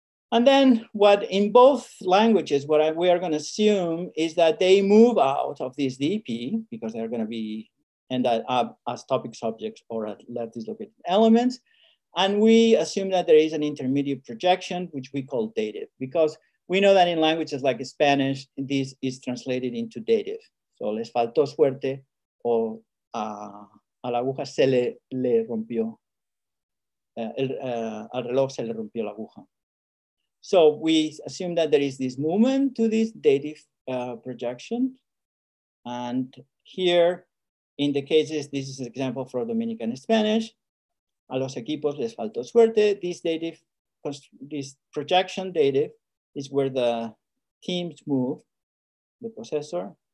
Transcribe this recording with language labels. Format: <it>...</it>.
<en>And then what in both languages, we are gonna assume is that they move out of this DP because they're gonna be end up as topic subjects or at left dislocated elements. And we assume that there is an intermediate projection, which we call dative, because we know that in languages like Spanish, this is translated into dative.</en> <es>So les faltó suerte o a la aguja se le rompió, al reloj se le rompió la aguja.</es> <en>So we assume that there is this movement to this dative projection. And here in the cases, this is an example for Dominican Spanish.</en> <es>A los equipos les faltó suerte.</es> <en>This dative, this projection dative is where the teams move, the possessor.</en>